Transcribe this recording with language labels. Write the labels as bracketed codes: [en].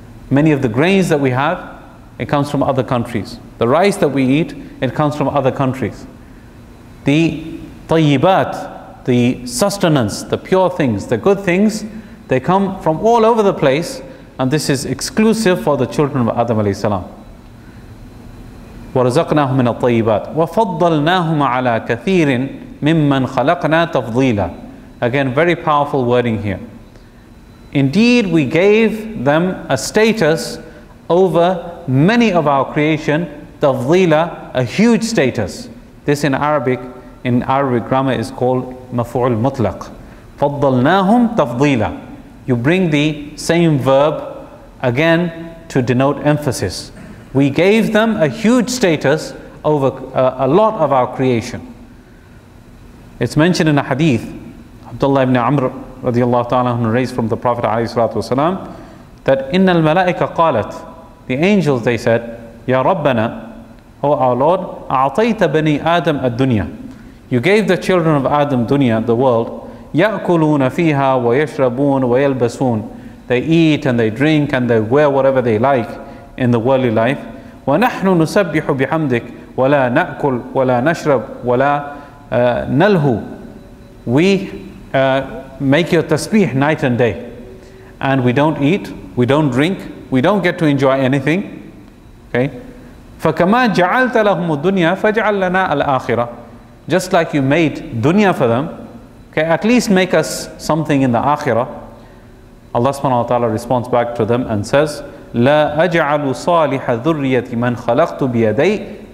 [en] Many of the grains that we have, it comes from other countries. The rice that we eat, it comes from other countries. The tayyibat, the sustenance, the pure things, the good things, they come from all over the place, and this is exclusive for the children of Adam alayhi salam. [ar] وَرَزَقْنَاهُمْ مِنَ الطَّيِّبَاتِ وَفَضَّلْنَاهُمْ عَلَىٰ كَثِيرٍ مِمَّنْ خَلَقْنَا تَفْضِيلًا [en] Again, very powerful wording here. Indeed, we gave them a status over many of our creation, tafdila, a huge status. This in Arabic grammar is called maf'ul mutlaq. [ar] فَضَّلْنَاهُمْ تَفْضِيلًا [en] You bring the same verb again to denote emphasis. We gave them a huge status over a lot of our creation. It's mentioned in a hadith, Abdullah ibn Amr radiallahu ta'ala, who raised from the Prophet alayhi salatu wasalam, that [ar] إِنَّ الْمَلَائِكَ قَالَتْ [en] The angels, they said, Ya Rabbana, O our Lord, [ar] أَعْطَيْتَ بَنِي آدَمْ الدُّنْيَا [en] You gave the children of Adam dunya, the world, [ar] يَأْكُلُونَ فِيهَا وَيَشْرَبُونَ وَيَلْبَسُونَ [en] They eat and they drink and they wear whatever they like in the worldly life. [ar] وَنَحْنُ نُسَبِّحُ بِحَمْدِكَ وَلَا نَأْكُلْ وَلَا نَشْرَبْ وَلَا نَلْهُ [en] We make your tasbih night and day. And we don't eat, we don't drink, we don't get to enjoy anything. Okay? [ar] فَكَمَا جَعَلْتَ لَهُمُ الدُّنْيَا فَجْعَلْ لَنَا الْآخِرَةِ [en] Just like you made dunya for them, okay, at least make us something in the akhirah. Allah subhanahu wa ta'ala responds back to them and says, [ar] لَا أَجْعَلُ صَالِحَ ذُرِّيَّةِ مَنْ خَلَقْتُ بِيَدَيْهِ